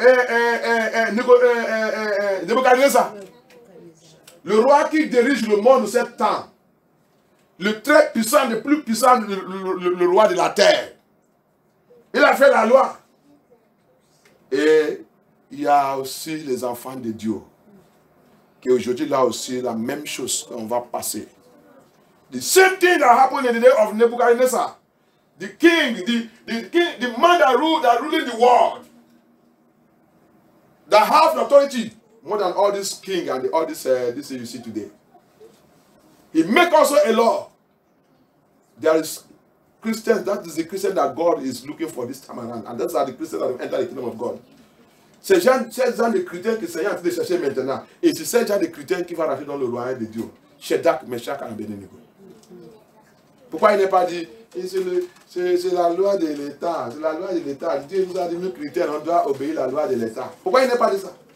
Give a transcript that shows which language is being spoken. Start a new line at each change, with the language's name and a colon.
French: Regardez, le roi qui dirige le monde en ce temps, le très puissant, le plus puissant, le roi de la terre, il a fait la loi. Et il y a aussi les enfants de Dieu. Qui aujourd'hui, là aussi, la même chose qu'on va passer.
English: The same thing that happened in the day of Nebuchadnezzar. The king, the man that ruled the world. That have the authority. More than all this king and all this you see today. He make also a law. There is Christians, that is the Christian that God is looking for this time around. And that's how the Christians that have entered the kingdom of God.
French: C'est genre de chrétien que le Seigneur est en train de chercher maintenant. Et c'est ce genre de chrétien qui va rentrer dans le royaume de Dieu. Shedak, Meshak, Abednego. Pourquoi il n'est pas dit, c'est la loi de l'État, c'est la loi de l'État. Dieu nous a dit, nous chrétiens, on doit obéir la loi de l'État. Pourquoi il n'est pas dit ça?